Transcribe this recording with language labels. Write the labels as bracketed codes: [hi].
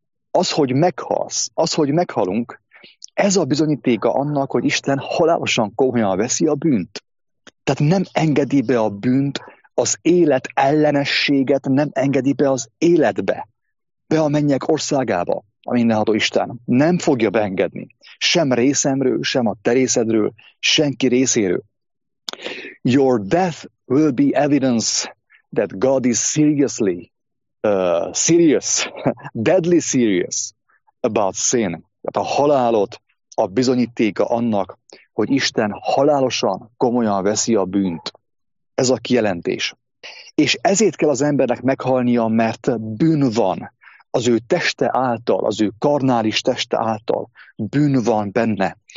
[hu] Az, hogy meghalsz, az, hogy meghalunk, ez a bizonyítéka annak, hogy Isten halálosan komolyan veszi a bűnt. Tehát nem engedi be a bűnt, az élet ellenességet nem engedi be az életbe, be a mennyek országába, a mindenható Isten. Nem fogja beengedni. Sem részemről, sem a te részedről, senki részéről. [en] Your death will be evidence that God is seriously, serious, deadly serious about sin. [hu] Tehát a halálod a bizonyítéka annak, hogy Isten halálosan komolyan veszi a bűnt. Ez a kijelentés. És ezért kell az embernek meghalnia, mert bűn van. Az ő teste által, az ő karnális teste által bűn van benne.